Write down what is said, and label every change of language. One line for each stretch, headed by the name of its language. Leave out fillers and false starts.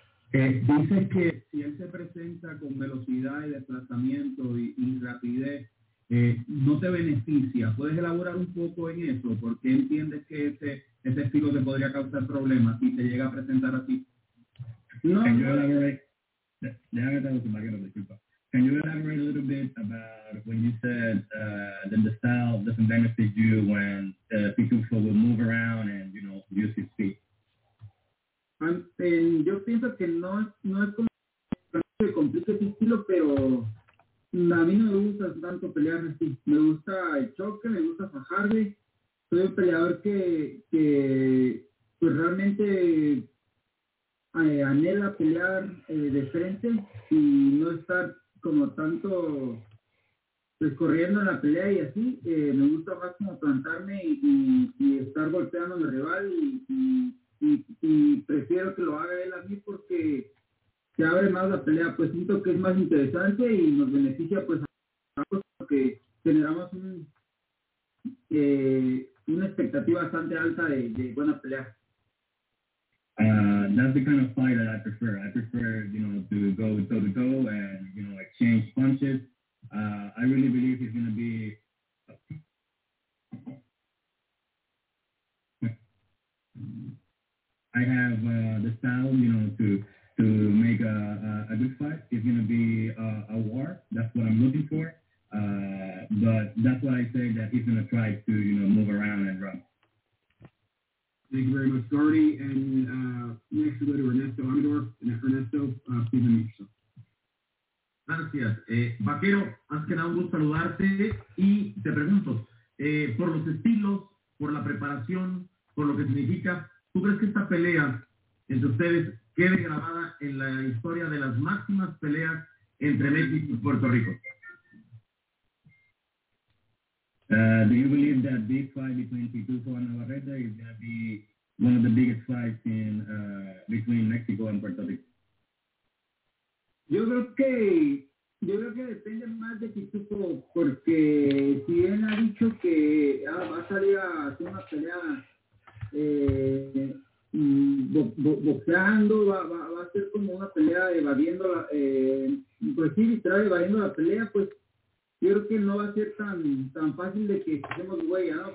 Spanish: Dice que si él se presenta con velocidad y desplazamiento y rapidez, no te beneficia. ¿Puedes elaborar un poco en eso? ¿Por qué entiendes que ese estilo te podría causar problemas si te llega a presentar así? No.
English: Can you elaborate?
Spanish: Déjame darle un poquito, disculpa.
English: Can you elaborate a little bit about when you said that the style doesn't benefit you when Pitufo will move around and, you know, use his feet?
Spanish: Yo pienso que no es como que complique su estilo, pero a mí no me gusta tanto pelear así. Me gusta el choque, me gusta fajarme. Soy un peleador que pues realmente anhela pelear de frente y no estar como tanto pues, corriendo en la pelea y así. Me gusta más como plantarme y estar golpeando al rival y prefiero que lo haga él a mí porque se abre más la pelea, pues siento que es más interesante y nos beneficia pues porque generamos una expectativa bastante alta de buena pelea.
English: That's the kind of fight that I prefer. I prefer, you know, to go toe to toe and, you know, exchange punches. I really believe it's going to be I have the style, you know, to make a good fight. It's going to be a war. That's what I'm looking for. But that's why I say that he's going to try to, you know, move around and run. Thank you very much, Gordy. And next we'll go to Ernesto Amador. Ernesto, please unmute yourself.
Spanish: Gracias. Vaquero, antes que nada, un gusto saludarte. Y te pregunto, por los estilos, por la preparación, por lo que significa... ¿Tú crees que esta pelea entre ustedes quede grabada en la historia de las máximas peleas entre México y Puerto Rico?
English: Do you believe that this fight between Pitufo and Navarrete is going to be one of the biggest fights in between Mexico and Puerto Rico?
Spanish: Yo creo que depende más de Pitufo, porque si él ha dicho que va a salir a hacer una pelea boxeando, va a ser como una pelea evadiendo la pues sí, literal evadiendo la pelea, pues yo creo que no va a ser tan fácil de que hacemos huella, ¿no?